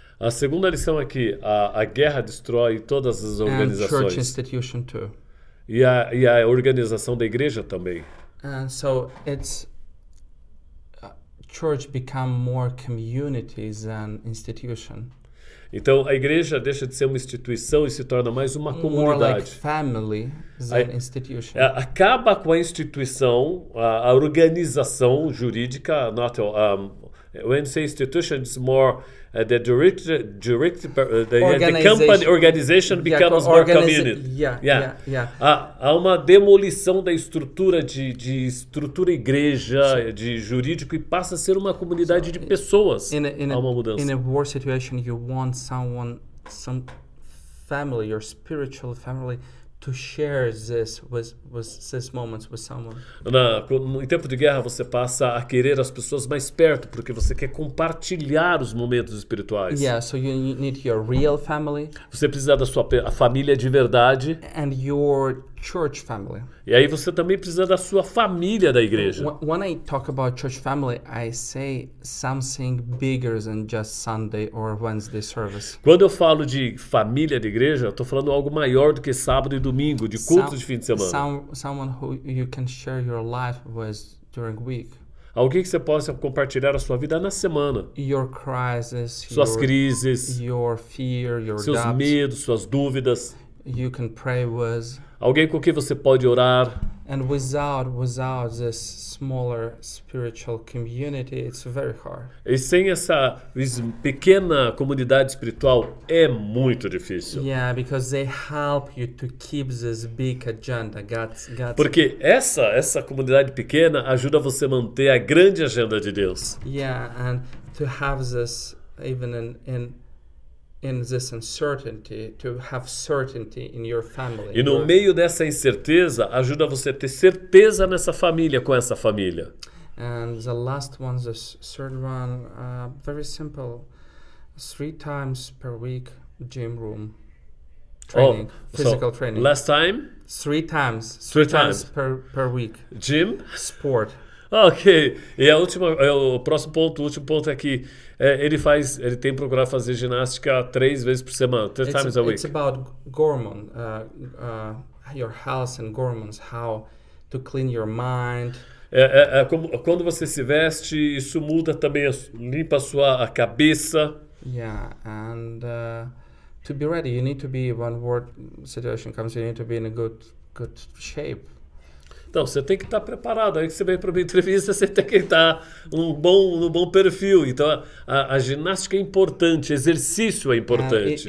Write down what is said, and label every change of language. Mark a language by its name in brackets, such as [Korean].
[Portuguese] A segunda lição é que a guerra destrói todas as organizações. [English] And church institution too. [Portuguese] E a organização da igreja também. [English] So it's church become more communities than institution. [Portuguese] Então a igreja deixa de ser uma instituição e se torna mais uma comunidade. [English] More like family than institution. [Portuguese] Acaba com a instituição, a organização jurídica. [English] Not when you say institution, it's more the direct the company organization becomes more community. [Portuguese] Há uma demolição da estrutura de estrutura igreja, so, de jurídico, e passa a ser uma comunidade de pessoas. Há uma mudança. [English] In a war situation, you want someone, some family, your spiritual family, to share this with moments with someone. [Portuguese] Em tempo de guerra você passa a querer as pessoas mais perto porque você quer compartilhar os momentos espirituais. [English] Yeah, so you need your real family. [Portuguese] Você precisa da sua a família de verdade. [English] And your church family. [Portuguese] E aí você também precisa da sua família da igreja. [English] When I talk about church family, I say something bigger than just Sunday or Wednesday service. [Portuguese] Quando eu falo de família de igreja, eu tô falando algo maior do que sábado e domingo, de culto de fim de semana. [English] Someone who you can share your life with during week. [Portuguese] Alguém que você possa compartilhar a sua vida na semana. [English] Your crisis, [Portuguese] suas crises, [English] your fear, your [Portuguese] seus [English] doubts, [Portuguese] medos, suas dúvidas. [English] You can pray with. [Portuguese] Alguém com quem você pode orar. [English] And without this smaller spiritual community, it's very hard. [Portuguese] E sem essa pequena comunidade espiritual é muito difícil. [English] Yeah, because they help you to keep this big agenda. God's... [Portuguese] Porque essa comunidade pequena ajuda você a manter a grande agenda de Deus. [English] Yeah, and to have this even in this uncertainty, to have certainty in your family. [Portuguese] E no meio dessa incerteza, ajuda você a ter certeza nessa família, com essa família. [English] And the last one, the third one, very simple. 3 times per week, gym room training, physical training. Last time? Three times per week. Gym? Sport. [Portuguese] Ok, e a última, o último ponto é que ele tem procurado fazer ginástica 3 vezes por semana, [English] 3 times a week. It's about hormones, your health and hormones, how to clean your mind. [Portuguese] Como, quando você se veste, isso muda também, limpa a sua a cabeça. [English] Yeah, and to be ready, you need to be, when work situation comes, you need to be in a good shape. [Portuguese] Então, você tem que estar preparado. Aí que você vem para uma entrevista, você tem que estar um bom perfil. Então, a ginástica é importante, exercício é importante.